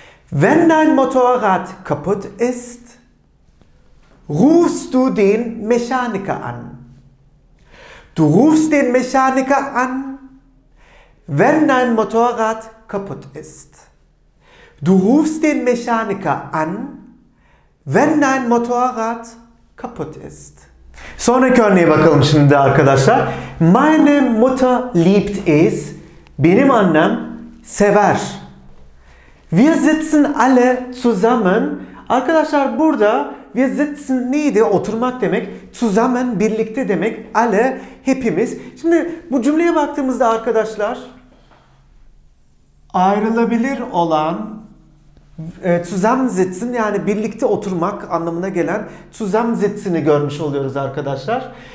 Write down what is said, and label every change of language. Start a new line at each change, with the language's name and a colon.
German: Wenn dein Motorrad kaputt ist, rufst du den Mechaniker an. Du rufst den Mechaniker an, wenn dein Motorrad kaputt ist. Du rufst den Mechaniker an, wenn dein Motorrad kaputt ist.
Turkish: Sonraki örneğe bakalım şimdi arkadaşlar.
German: Meine Mutter liebt es.
Turkish: Benim annem sever.
German: Wir sitzen alle zusammen.
Turkish: Arkadaşlar burada wir sitzen neydi? Oturmak demek. Zusammen birlikte demek. Alle hepimiz. Şimdi bu cümleye baktığımızda arkadaşlar ayrılabilir olan zusammen sitzen yani birlikte oturmak anlamına gelen zusammen sitzen'i görmüş oluyoruz arkadaşlar.